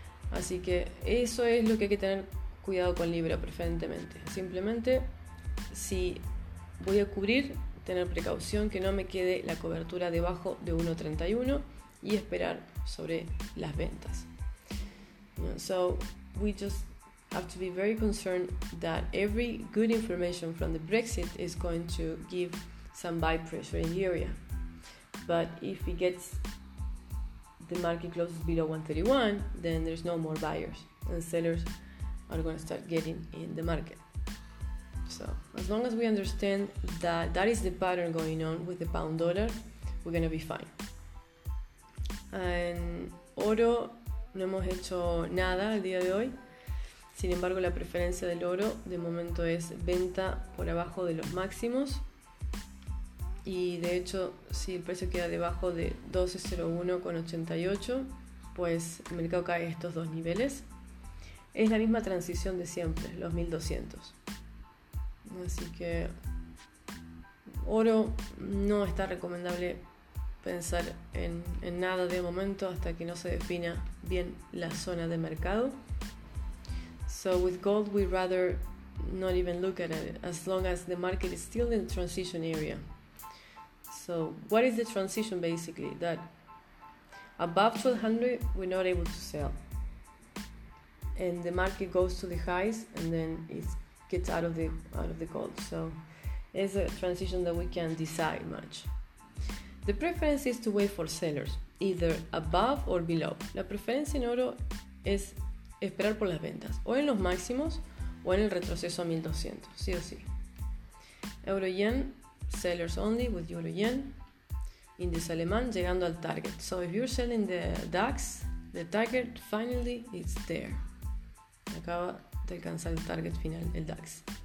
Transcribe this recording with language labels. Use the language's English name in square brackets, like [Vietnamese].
[Spanish] Así que eso es lo que hay que tener cuidado con Libra preferentemente. Simplemente, si voy a cubrir, tener precaución que no me quede la cobertura debajo de 1.31 y esperar sobre las ventas. [English] So we just have to be very concerned that every good information from the Brexit is going to give some buy pressure in the area. But if it gets the market closes below 131, then there's no more buyers and sellers are going to start getting in the market. So as long as we understand that is the pattern going on with the pound dollar, we're going to be fine. [Spanish] En oro no hemos hecho nada el día de hoy. Sin embargo, la preferencia del oro de momento es venta por abajo de los máximos. Y de hecho, si el precio queda debajo de 1201.88, pues el mercado cae estos dos niveles. Es la misma transición de siempre, los 1200. Así que oro no está recomendable pensar en nada de momento hasta que no se defina bien la zona de mercado. [English] So with gold we rather not even look at it as long as the market is still in the transition area. So what is the transition basically? That above 1200 we're not able to sell and the market goes to the highs and then it gets out of the gold. So it's a transition that we can't decide much. The preference is to wait for sellers, either above or below. [Spanish] La preferencia en oro es esperar por las ventas, o en los máximos, o en el retroceso a 1200, sí o sí. [English] Euro yen, sellers only with euro yen. [Spanish] Índice alemán llegando al target. [English] So if you're selling the DAX, the target finally is there. [Spanish] Acaba de alcanzar el target final, el DAX.